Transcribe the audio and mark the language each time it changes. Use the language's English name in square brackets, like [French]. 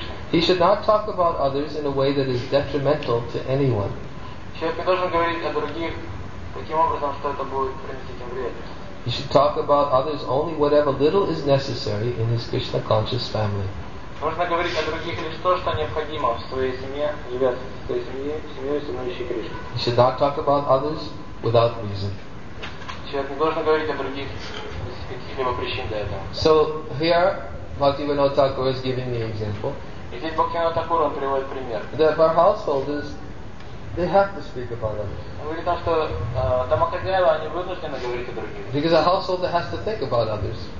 [English] He should not talk about others in a way that is detrimental to anyone. He should talk about others only whatever little is necessary in his Krishna conscious family. [Russian] Нужно говорить о других лишь то, что необходимо в своей семье, живя в своей семье, семьей, становящей Кришной. [English] He should not talk about others without reason. [Russian] Человек не должен говорить о других без каких-либо причин для этого. [English] So here, Bhaktivinoda Thakur is giving the example. [Russian] И здесь Бхактивинода Такура приводит пример. [English] That our householders, they have to speak about others. [Russian] Он говорит о том, что домохозяева, они вынуждены говорить о других. [English] Because a householder has to think about others.